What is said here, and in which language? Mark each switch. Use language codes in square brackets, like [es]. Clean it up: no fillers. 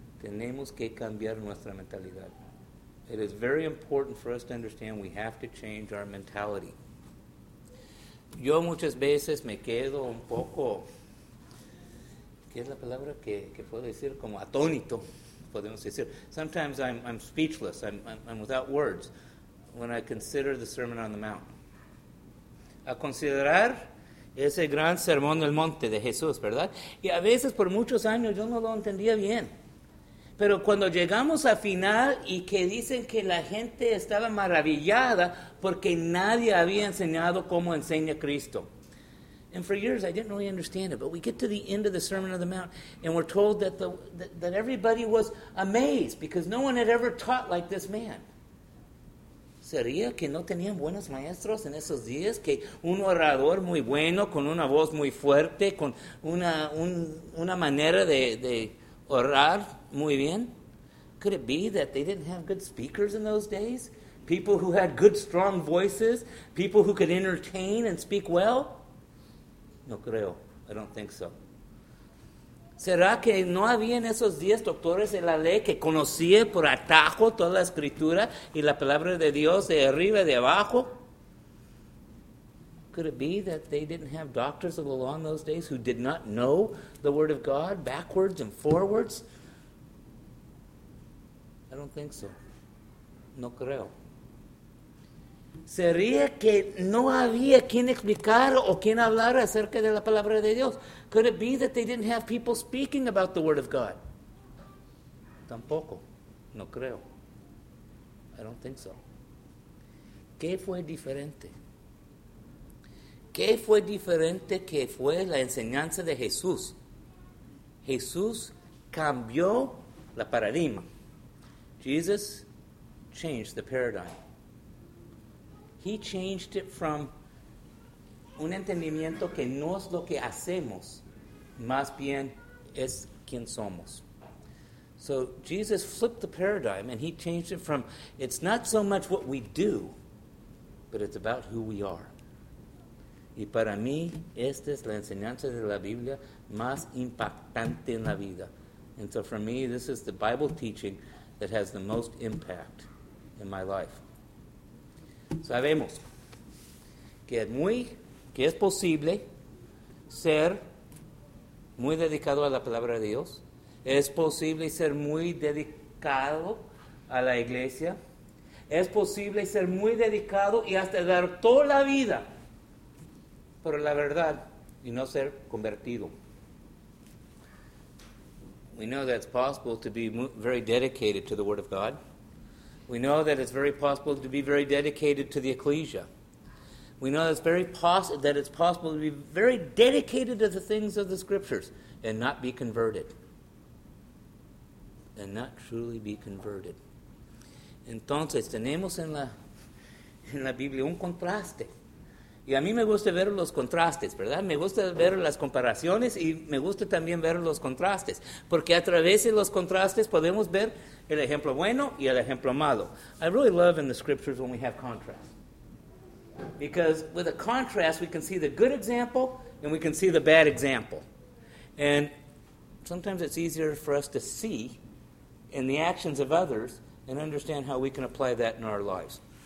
[es] Tenemos que cambiar nuestra mentalidad. [en] It is very important for us to understand we have to change our mentality. [es] Yo muchas veces me quedo un poco, ¿qué es la palabra que puedo decir? Como atónito, podemos decir. [en] Sometimes I'm speechless, I'm without words when I consider the Sermon on the Mount. [es] A considerar ese gran sermón del monte de Jesús, ¿verdad? Y a veces por muchos años yo no lo entendía bien. Pero cuando llegamos al final y que dicen que la gente estaba maravillada porque nadie había enseñado cómo enseña Cristo. [en] And for years I didn't really understand it, but we get to the end of the Sermon on the Mount and we're told that that everybody was amazed because no one had ever taught like this man. [es] ¿Sería que no tenían buenos maestros en esos días? ¿Que un orador muy bueno, con una voz muy fuerte, con una manera de orar muy bien? [en] Could it be that they didn't have good speakers in those days? People who had good, strong voices? People who could entertain and speak well? [es] No creo. [en] I don't think so. [es] ¿Será que no había en esos días doctores de la ley que conocía por atajo toda la escritura y la palabra de Dios de arriba y de abajo? [en] Could it be that they didn't have doctors of the law in those days who did not know the word of God backwards and forwards? I don't think so. [es] No creo. sería que no había quien explicar o quien hablar acerca de la palabra de Dios. [en] Could it be that they didn't have people speaking about the word of God? [es] Tampoco. No creo. [en] I don't think so. [es] ¿Qué fue diferente? ¿Qué fue diferente que fue la enseñanza de Jesús? Jesús cambió la paradigma. [en] Jesus changed the paradigm. He changed it from [es] un entendimiento que no es lo que hacemos, más bien es quien somos. [en] So Jesus flipped the paradigm and he changed it from, it's not so much what we do, but it's about who we are. [es] Y para mí, esta es la enseñanza de la Biblia más impactante en la vida. And so for me, this is the Bible teaching that has the most impact in my life. Sabemos que es posible ser muy dedicado a la palabra de Dios. Es posible ser muy dedicado a la iglesia. Es posible ser muy dedicado y hasta dar toda la vida por la verdad y no ser convertido. [en] We know that it's possible to be very dedicated to the Word of God. We know that it's very possible to be very dedicated to the ecclesia. We know that it's possible to be very dedicated to the things of the Scriptures and not be converted. And not truly be converted. [es] Entonces, tenemos en la Biblia un contraste. Y a mí me gusta ver los contrastes, ¿verdad? Me gusta ver las comparaciones y me gusta también ver los contrastes. Porque a través de los contrastes podemos ver el ejemplo bueno y el ejemplo malo. [en] I really love in the Scriptures when we have contrast. Because with a contrast, we can see the good example and we can see the bad example. And sometimes it's easier for us to see in the actions of others and understand how we can apply that in our lives.